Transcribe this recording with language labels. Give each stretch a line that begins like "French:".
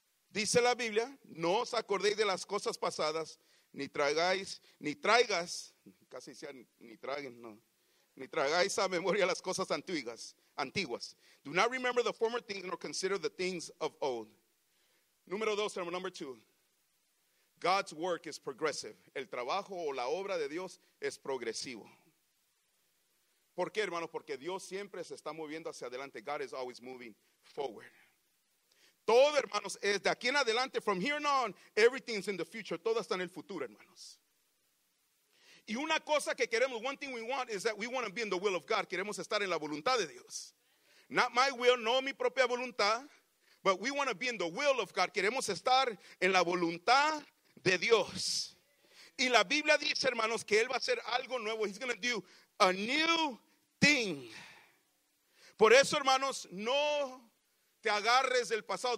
Spanish: Dice la Biblia, no os acordéis de las cosas pasadas, ni tragáis a memoria las cosas antiguas.
English: Do not remember the former things nor consider the things of old.
Spanish: Número dos,
English: number two. God's work is progressive.
Spanish: El trabajo o la obra de Dios es progresivo. ¿Por qué, hermano? Porque Dios siempre se está moviendo hacia adelante.
English: God is always moving forward.
Spanish: Todo, hermanos, es de aquí en adelante,
English: from here on, everything's in the future.
Spanish: Todo está en el futuro, hermanos. Y una cosa que queremos,
English: one thing we want, is that we want to be in the will of God.
Spanish: Queremos estar en la voluntad de Dios.
English: Not my will,
Spanish: no mi propia voluntad,
English: but we want to be in the will of God.
Spanish: Queremos estar en la voluntad de Dios. Y la Biblia dice, hermanos, que Él va a hacer algo nuevo.
English: He's going to do a new thing.
Spanish: Por eso, hermanos, no te agarres del pasado.